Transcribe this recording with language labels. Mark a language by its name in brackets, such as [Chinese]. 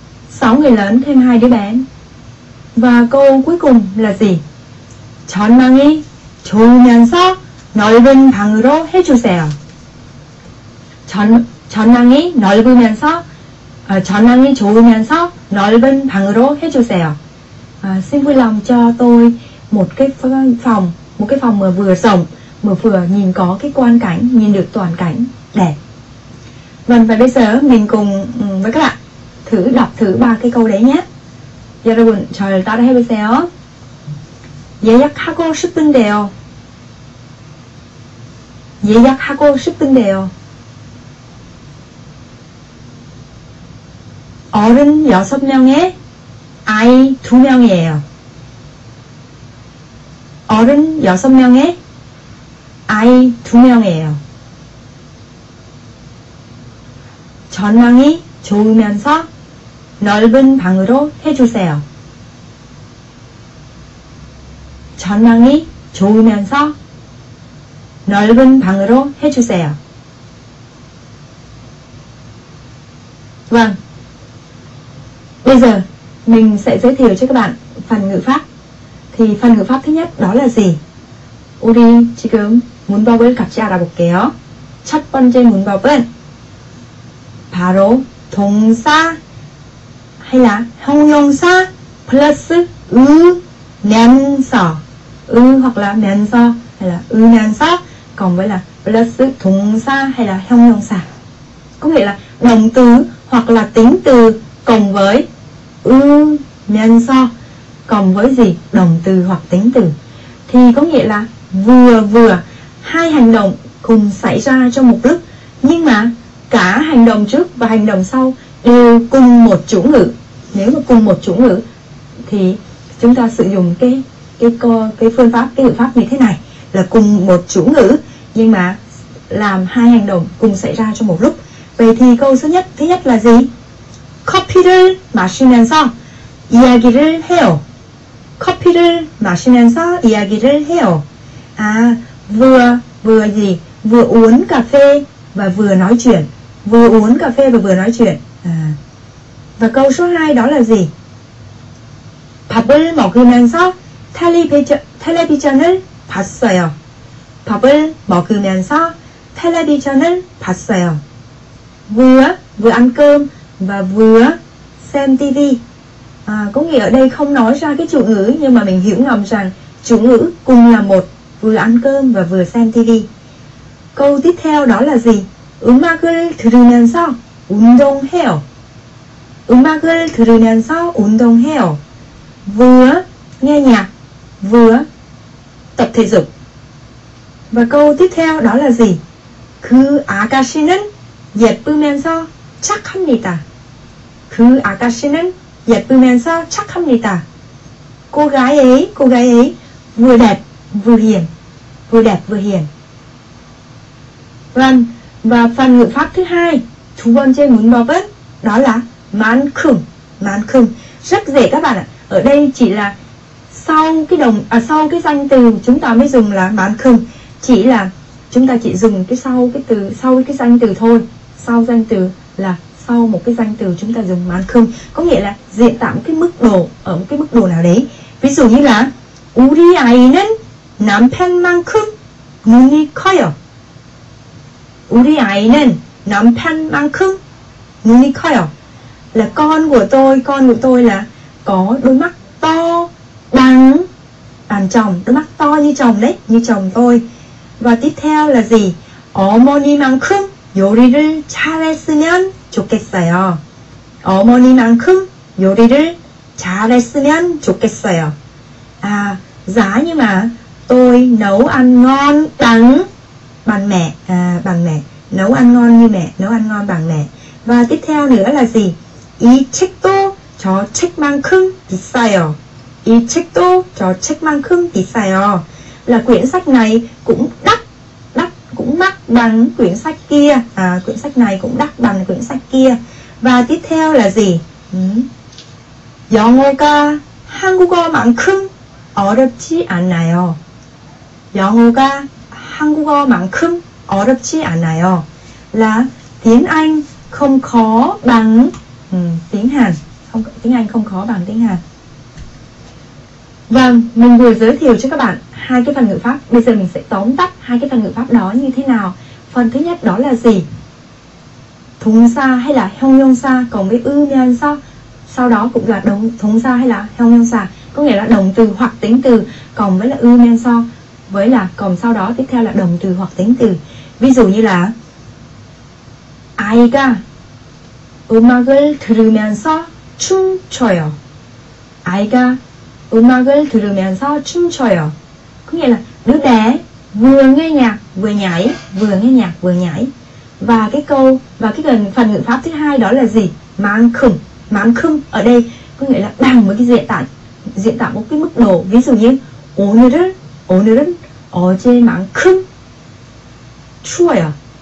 [Vietnamese] 6 người lớn thêm 2 đứa bé. Và câu cuối cùng là gì? [Korean] 전망이 좋으면서 넓은 방으로 해주세요. 전망이 넓으면서 전망이 좋으면서 넓은 방으로 해주세요. [Vietnamese] Xin vui lòng cho tôi một cái phòng mà vừa rộng mà vừa nhìn có cái quan cảnh, nhìn được toàn cảnh đẹp. Vâng, và bây giờ mình cùng với các bạn thử đọc thử 3 cái câu đấy nhé. [Korean] 여러분, 잘 따라해보세요. 예약하고 싶은데요. 예약하고 싶은데요. 어른 여섯 명의 아이 두 명이에요. 어른 여섯 명의 아이 두 명이에요. 전망이 좋으면서 넓은 방으로 해주세요. 전망이 좋으면서 넓은 방으로 해주세요. 왕. [Vietnamese] Bây giờ mình sẽ giới thiệu cho các bạn phần ngữ pháp. Thì phần ngữ pháp thứ nhất đó là gì? [Korean] 우리 지금 문법을 같이 알아볼게요. 첫 번째 문법은 바로 동사 [Vietnamese] hay là [Korean] 형용사 플러스 으면서 으 [Vietnamese] hoặc là [Korean] 면서 hay là 으면서 [Vietnamese] còn với là plus [Korean] 동사 hay là 형용사. [Vietnamese] Có nghĩa là động từ hoặc là tính từ cộng với 으면서 cộng với gì? Động từ hoặc tính từ. Thì có nghĩa là vừa hai hành động cùng xảy ra trong một lúc, nhưng mà cả hành động trước và hành động sau đều cùng một chủ ngữ. Nếu mà cùng một chủ ngữ thì chúng ta sử dụng cái phương pháp, cái ngữ pháp như thế này là cùng một chủ ngữ nhưng mà làm hai hành động cùng xảy ra trong một lúc. Vậy thì câu số nhất, thứ nhất là gì? [Korean] 커피를 마시면서 이야기를 해요. 커피를 마시면서 이야기를 해요. [Vietnamese] 아, vừa gì? Vừa uống cà phê và vừa nói chuyện. Vừa uống cà phê và vừa nói chuyện. Và câu số 2 đó là gì? 밥을 먹으면서 텔레비전을 봤어요. 밥을 먹으면서 텔레비전을 봤어요. Vừa ăn cơm và vừa xem TV. Có nghĩa ở đây không nói ra cái chủ ngữ, nhưng mà mình hiểu ngầm rằng chủ ngữ cùng là một, vừa ăn cơm và vừa xem TV. Câu tiếp theo đó là gì? [Korean] 음악을 들으면서 운동해요. 음악을 들으면서 운동해요. [Vietnamese] Vừa nghe nhạc, vừa tập thể dục. Và câu tiếp theo đó là gì? [Korean] 그 아가씨는 예쁘면서 착합니다. 그 아가씨는 예쁘면서 착합니다. [Vietnamese] Cô gái ấy vừa đẹp vừa hiền. Và phần ngữ pháp thứ hai, chú bon trên muốn bò bớt, đó là mán khửng. Rất dễ các bạn ạ. Ở đây chỉ là sau cái đồng à sau cái danh từ chúng ta mới dùng là bản khung, chỉ là chúng ta chỉ dùng cái sau cái từ, sau cái danh từ thôi, sau danh từ là sau một cái danh từ chúng ta dùng bản khung, có nghĩa là diễn tả một cái mức độ, ở một cái mức độ nào đấy. Ví dụ như là [Korean] 우리 아이는 남편만큼 눈이 커요. 우리 아이는 남편만큼 눈이 커요. [Vietnamese] Là con của tôi là có đôi mắt to bằng bàn chồng, đôi mắt to như chồng đấy, như chồng tôi. Và tiếp theo là gì? [Korean] 어머니만큼 요리를 잘했으면 좋겠어요. 어머니만큼 요리를 잘했으면 좋겠어요. [Vietnamese] À, giá như mà tôi nấu ăn ngon bằng bằng mẹ, nấu ăn ngon như mẹ, nấu ăn ngon bằng mẹ. Và tiếp theo nữa là gì? [Korean] 이 책도 저 책만큼 비싸요. 이 책도 저 책만큼 비싸요. [Vietnamese] Là quyển sách này cũng đắt, đắt cũng mắc bằng quyển sách kia. À, quyển sách này cũng đắt bằng quyển sách kia. Và tiếp theo là gì? [Korean] 영어가 한국어만큼 어렵지 않아요. 영어가 한국어만큼 어렵지 않아요. [Vietnamese] Là tiếng Anh không khó bằng tiếng Hàn. Không, tiếng Anh không khó bằng tiếng Hàn. Vâng, mình vừa giới thiệu cho các bạn hai cái phần ngữ pháp. Bây giờ mình sẽ tóm tắt hai cái phần ngữ pháp đó như thế nào. Phần thứ nhất đó là gì? 동사 hay là 형용사 cộng với 으면서 sau đó cũng là 동사 hay là 형용사, có nghĩa là động từ hoặc tính từ cộng với là 으면서 với là cộng sau đó tiếp theo là động từ hoặc tính từ. Ví dụ như là [Korean] 아이가 음악을 들으면서 춤춰요. 아이가 음악을 들으면서 춤춰요. [Vietnamese] Có nghĩa là đứa bé vừa nghe nhạc vừa nhảy, vừa nghe nhạc vừa nhảy. Và cái câu, và cái phần ngữ pháp thứ hai đó là gì? [Korean] 만큼. [Vietnamese] 만큼 ở đây có nghĩa là bằng một cái diễn tả một cái mức độ. Ví dụ như [Korean] 오늘은 어제만큼 추워요.